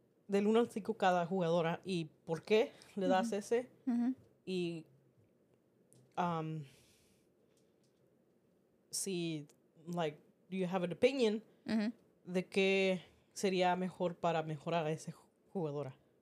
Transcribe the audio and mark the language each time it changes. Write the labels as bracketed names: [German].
[Spanish] del 1 al 5 cada jugadora y por qué le das, mm-hmm. ese, mm-hmm. y si, [English] like, do you have an opinion, mm-hmm. [Spanish] de qué sería mejor para mejorar a ese jugadora.